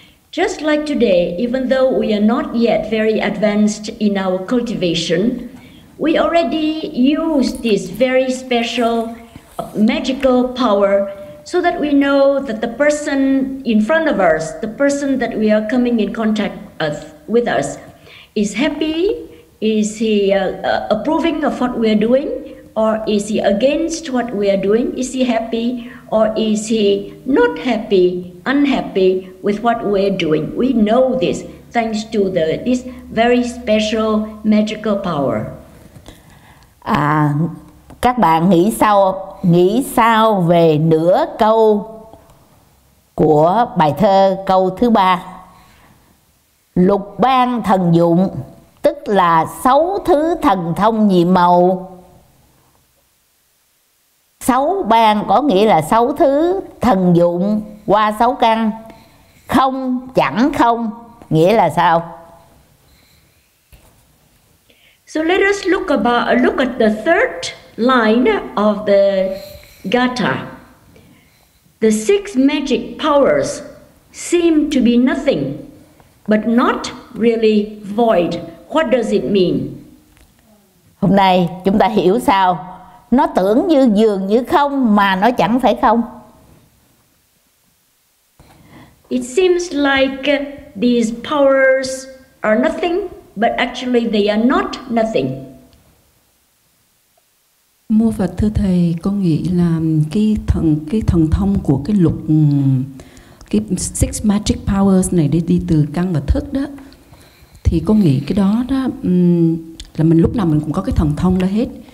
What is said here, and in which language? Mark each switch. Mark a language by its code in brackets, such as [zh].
[en] Just like today, even though we are not yet very advanced in our cultivation, we already use this very special magical power so that we know that the person in front of us, the person that we are coming in contact with us, is happy, is he approving of what we are doing, or is he against what we are doing? Is he happy or is he not happy, unhappy with what we're doing? We know this thanks to this very special magical power. [vi] À, các bạn nghĩ sao về nửa câu của bài thơ câu thứ ba? Lục ban thần dụng, tức là sáu thứ thần thông nhiệm màu. Sáu ban có nghĩa là sáu thứ thần dụng qua sáu căn. Không, chẳng không, nghĩa là sao? [en] So let us look at the third line of the gatha. The six magic powers seem to be nothing, but not really void. What does it mean? [vi] Hôm nay chúng ta hiểu sao? Nó tưởng như dường như không mà nó chẳng phải không. [en] It seems like these powers are nothing, but actually they are not nothing. [vi] Mô Phật thưa thầy, con nghĩ là cái thần thông của cái lục cái [en] six magic powers [vi] này đi từ căn và thức đó, thì con nghĩ cái đó là mình lúc nào mình cũng có cái thần thông đó hết.